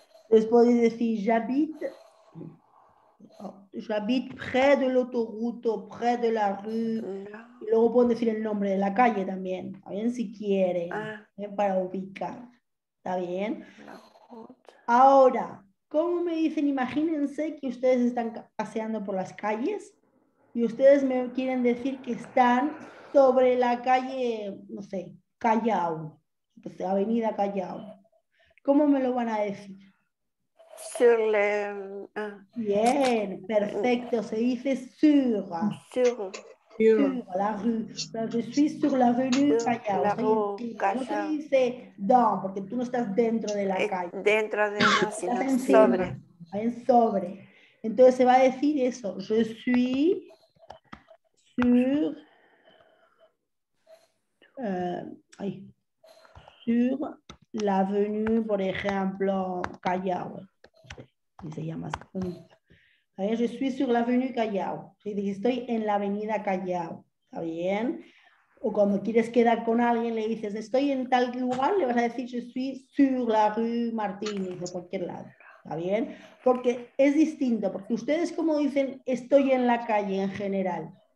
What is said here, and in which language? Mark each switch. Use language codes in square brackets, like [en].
[es] Les podéis decir, [fr] j'habite près de l'autoroute, près de la rue. [es] Y luego pueden decir el nombre de la calle también. ¿Está bien? Si quieren. Ah. ¿Bien? Para ubicar. ¿Está bien? Ahora, ¿cómo me dicen? Imagínense que ustedes están paseando por las calles y ustedes me quieren decir que están... Sobre la calle, no sé, Callao, pues, Avenida Callao. ¿Cómo me lo van a decir? [fr] Sur le... [es] Bien, perfecto, se dice sur. [fr] Sur la rue. Je suis sur la avenue Callao. [es] No se dice don, porque tú no estás dentro de la calle. Dentro de la calle, sobre. En sobre. Entonces se va a decir eso. [fr] Je suis sur. Sur la avenue, [es] por ejemplo, [fr] Callao. [es] Y se llama así. [fr] Je suis sur la avenue Callao. [es] Estoy en la avenida Callao. ¿Está bien? O cuando quieres quedar con alguien, le dices, estoy en tal lugar, le vas a decir, [fr] je suis sur la rue Martínez, [es] o cualquier lado. ¿Está bien? Porque es distinto. Porque ustedes, ¿cómo dicen, estoy en la calle en general?